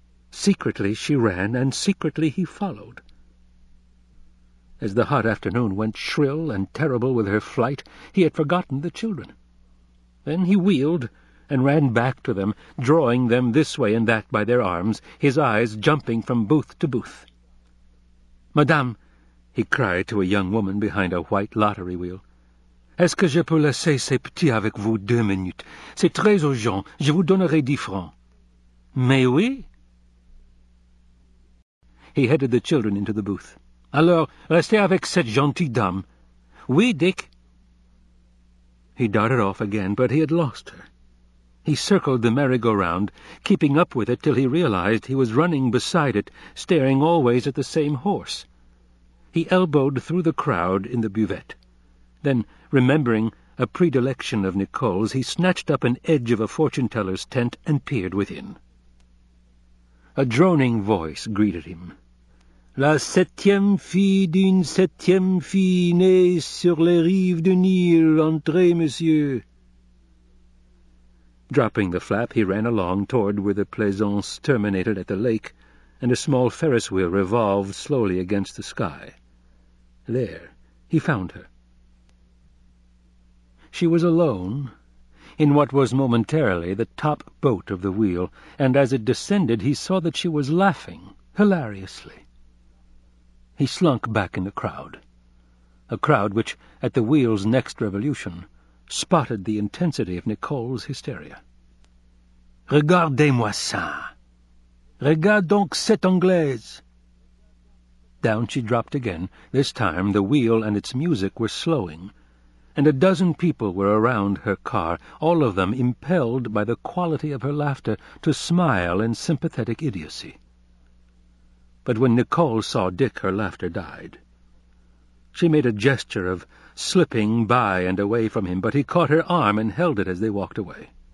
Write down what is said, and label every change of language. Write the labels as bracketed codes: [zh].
[en] Secretly she ran, and secretly he followed. As the hot afternoon went shrill and terrible with her flight, he had forgotten the children. Then he wheeled and ran back to them, drawing them this way and that by their arms, his eyes jumping from booth to booth. [fr] "Madame," [en] he cried to a young woman behind a white lottery wheel, [fr] "est-ce que je peux laisser ces petits avec vous 2 minutes? C'est très urgent. Je vous donnerai 10 francs. Mais oui." [en] He headed the children into the booth. [fr] "Alors, restez avec cette gentille dame." "Oui, Dick." [en] He darted off again, but he had lost her. He circled the merry-go-round, keeping up with it till he realized he was running beside it, staring always at the same horse. He elbowed through the crowd in the buvette. Then, remembering a predilection of Nicole's, he snatched up an edge of a fortune-teller's tent and peered within. A droning voice greeted him. [fr] "La septième fille d'une septième fille née sur les rives de Nil. Entrez, monsieur." [en] Dropping the flap, he ran along toward where the plaisance terminated at the lake, and a small ferris wheel revolved slowly against the sky. There he found her. She was alone in what was momentarily the top boat of the wheel, and as it descended he saw that she was laughing hilariously. He slunk back in the crowd, a crowd which, at the wheel's next revolution, spotted the intensity of Nicole's hysteria. [fr] "Regardez-moi ça! Regarde donc cette Anglaise!" [en] Down she dropped again. This time the wheel and its music were slowing, and a dozen people were around her car, all of them impelled by the quality of her laughter to smile in sympathetic idiocy. But when Nicole saw Dick, her laughter died. She made a gesture of slipping by and away from him, but he caught her arm and held it as they walked away.